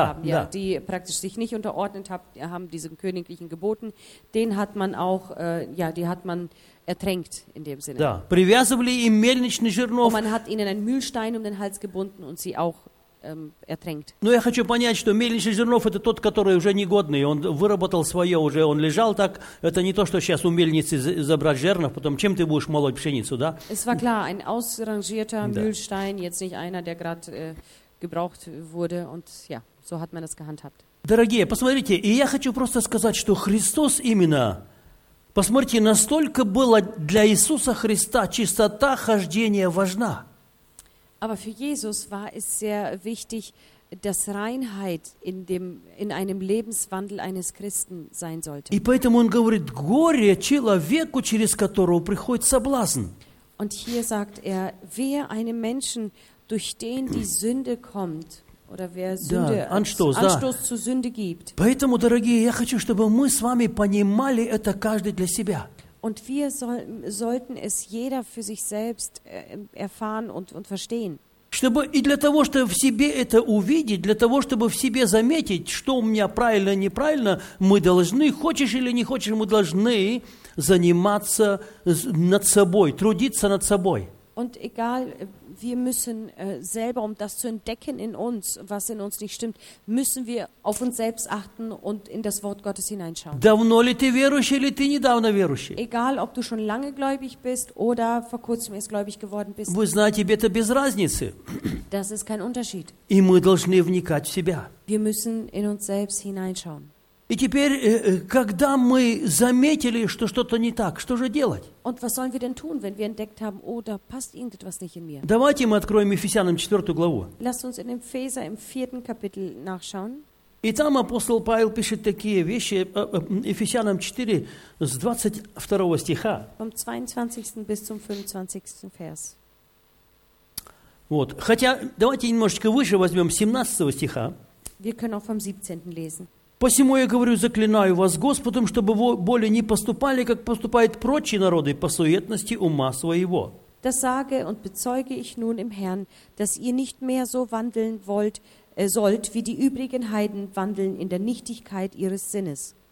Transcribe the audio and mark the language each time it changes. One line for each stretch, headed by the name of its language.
German: haben, ja, die praktisch sich nicht unterordnet haben diesen königlichen Geboten, den hat man auch, ja, die hat man ertränkt in dem Sinne.
Russian: Да, привязывали им мельничный жернов.
German: Und man hat ihnen einen Mühlstein um den Hals gebunden und sie auch ertränkt.
Russian: Но я хочу понять, что мельничный жернов это тот, который уже негодный, он выработал свое уже, он лежал так, это не то, что сейчас у мельницы забрать жернов, потом чем ты будешь молоть пшеницу, да?
German: Es war klar, ein ausrangierter Mühlstein, jetzt nicht einer, der gerade gebraucht wurde und ja, so hat man das gehandhabt.
Russian: Дорогие, посмотрите, и я хочу просто сказать, что Христос именно, посмотрите, настолько была для Иисуса Христа чистота хождения важна.
German: Aber für Jesus war es sehr wichtig, dass Reinheit in einem Lebenswandel eines Christen sein sollte.
Russian: И поэтому он говорит, горе человеку, через которого приходит соблазн.
German: Und hier sagt er, wer einem Menschen, durch den die Sünde kommt, oder wer Sünde, Anstoß zu Sünde gibt.
Russian: Поэтому, дорогие, я хочу, чтобы мы с вами понимали это каждый для себя.
German: Und wir sollten es jeder für sich selbst erfahren und verstehen.
Russian: Чтобы и для того, чтобы в себе это увидеть, для того, чтобы в себе заметить, что у меня правильно, неправильно, мы должны, хочешь или не хочешь, мы должны заниматься над собой, трудиться над собой.
German: Und egal, wir müssen selber, um das zu entdecken in uns, was in uns nicht stimmt, müssen wir auf uns selbst achten und in das Wort Gottes hineinschauen.
Russian: Давно ли ты верующий или ты недавно верующий?
German: Egal, ob du schon lange gläubig bist oder vor kurzem erst gläubig geworden bist.
Russian: Вы знаете, это без разницы.
German: Das ist kein Unterschied.
Russian: И мы должны вникать в себя.
German: Wir müssen in uns selbst hineinschauen.
Russian: И теперь, когда мы заметили, что что-то не так, что же делать?
German: Und was sollen wir denn tun, wenn wir entdeckt haben, oh, da passt irgendetwas nicht in mir?
Russian: Давайте мы откроем Ефесянам 4 главу.
German: Lass uns in Epheser im 4. Kapitel nachschauen.
Russian: И там апостол Павел пишет такие вещи, Ефесянам 4, с 22 стиха.
German: Vom 22. bis zum 25. Vers.
Russian: Вот, хотя, давайте немножечко выше возьмем 17 стиха.
German: Wir können auch vom 17. lesen.
Russian: «Посему я говорю, заклинаю вас Господом, чтобы вы более не поступали, как поступают прочие народы, по суетности ума своего».
German: Das sage und bezeuge ich nun im Herrn, dass ihr nicht mehr so wandeln wollt, sollt, wie die übrigen Heiden wandeln in der Nichtigkeit ihres Sinnes.